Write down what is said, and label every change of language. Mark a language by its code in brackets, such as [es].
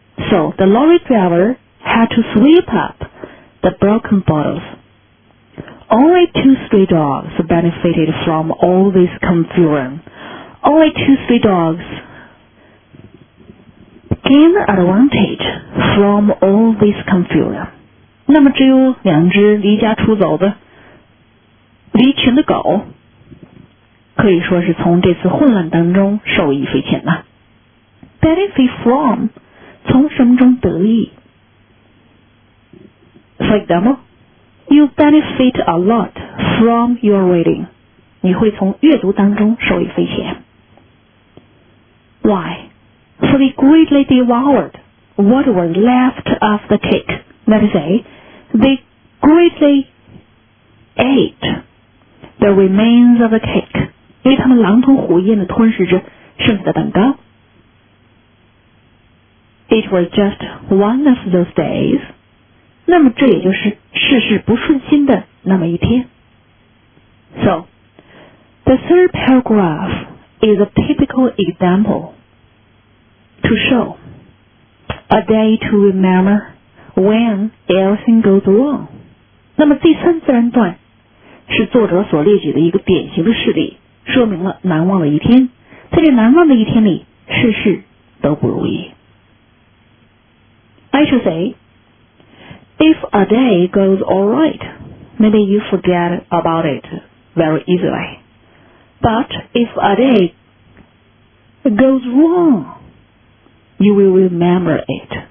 [en] So, the lorry driver had to sweep up the broken bottles. Only two stray dogs benefited from all this confusion. Only two stray dogs gained advantage from all this confusion. [zh] 那么只有两只离家出走的离群的狗可以说是从这次混乱当中受益匪浅了。 [en] Benefit from... [zh] 从什么中得益 [en] For example, you benefit a lot from your reading. [zh] 你会从阅读当中受益匪浅。 [en] Why? For they greatly devoured what was left of the cake. That is, they greatly ate the remains of the cake. [zh] 因为他们狼吞虎咽地吞噬着剩下的蛋糕。 [en] It was just one of those days. [zh] 那么这也就是事事不顺心的那么一天。 [en] So, the third paragraph is a typical example to show a day to remember when everything goes wrong. [zh] 那么第三自然段是作者所列举的一个典型的事例，说明了难忘的一天，在这难忘的一天里，事事都不如意。 [en] I should say, if a day goes alright, maybe you forget about it very easily. But if a day goes wrong, you will remember it.